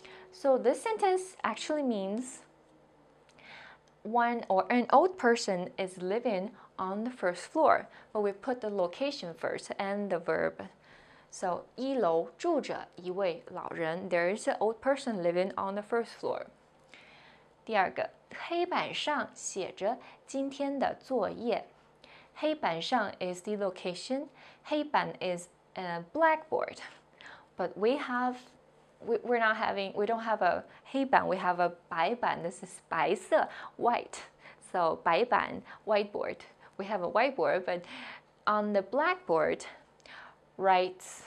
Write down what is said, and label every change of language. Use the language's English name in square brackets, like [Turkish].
[English] So this sentence actually means one or an old person is living on the first floor, but we put the location first and the verb. So [Chinese] 一楼住着一位老人, [English] there is an old person living on the first floor. [Chinese] 第二个, 黑板上写着今天的作业. [English] 黑板上 is the location. 黑板 is a blackboard, but we don't have a 黑板, we have a 白板. This is 白色, white. So 白板, whiteboard. We have a whiteboard, but on the blackboard, write